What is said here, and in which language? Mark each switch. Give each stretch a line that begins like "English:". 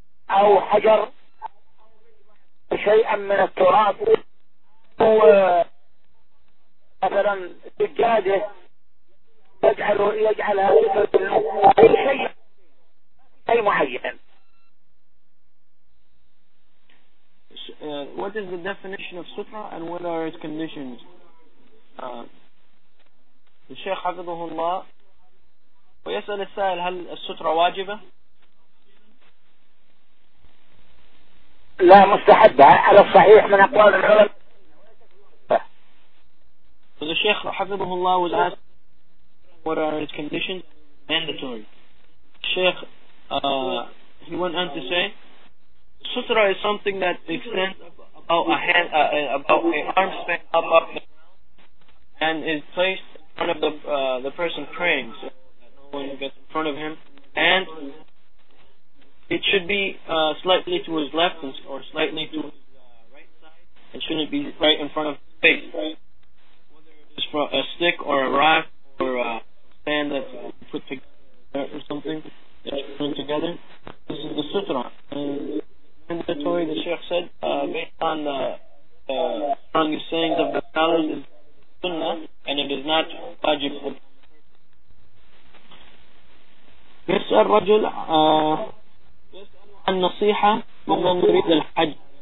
Arabic: أو حجر شيئا من التراب هو مثلا سجادة يجعلها سترة له أي شيء أي معين.
English: What is the definition of sutra and what are its conditions?
Arabic: الشيخ حفظه الله ويسأل السائل هل السترة واجبة؟ لا مستحبة على الصحيح من أقوال العلماء.
English: الشيخ حفظه الله was asked what are its conditions mandatory. الشيخ he went on to say sutra is something that extends about an arm span up the ground and is placed in front of the person praying so that no one gets in front of him, and it should be slightly to his left or slightly to his right side and shouldn't be right in front of his face, whether it's from a stick or a rock or a stand that's put together or something that's put together. This is the sutra. Mandatory, the Sheikh said, based on the strongest sayings of the scholars, is sunnah, and it is not wajib.
Arabic: This rajul عن نصيحة من يريد الحج.